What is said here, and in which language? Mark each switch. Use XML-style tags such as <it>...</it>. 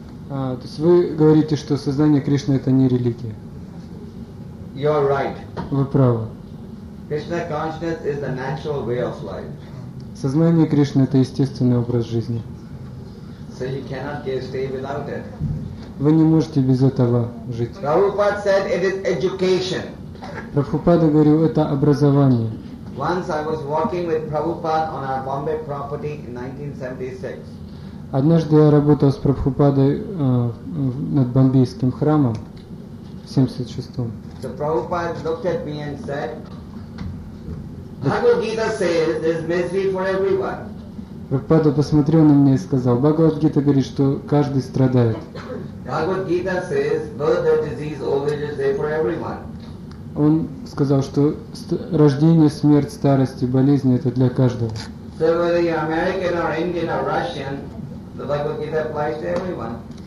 <ru>То есть вы говорите, что сознание Кришны — это не религия.</ru> <en>You are right.</en> <ru>Вы правы.</ru> <en>Krishna consciousness is the natural way of life.</en> <ru>Сознание Кришны — это естественный образ жизни.</ru> <en>So you cannot stay without it.</en> <ru>Вы не можете без этого жить.</ru> <en>Prabhupada said it is education.</en> <ru>Прабхупада говорил, это образование.</ru> <en>Once I was walking with Prabhupada on our Bombay property in 1976.</en> <ru>Однажды я работал с Прабхупадой над бомбейским храмом в 76-м.</ru> <en>So Prabhupada looked at me and said, Bhagavad Gita says there is misery for everyone.</en> <ru>Прабхупада посмотрел на меня и сказал, Бхагавад Гита говорит, что каждый страдает.</ru> <en>Bhagavad Gita says birth, disease, old age is there for everyone.</en> <ru>Он сказал, что рождение, смерть, старость и болезни — это для каждого.</ru> <en>So whether you're American or Indian or Russian, the Bhagavad Gita applies to everyone.</en>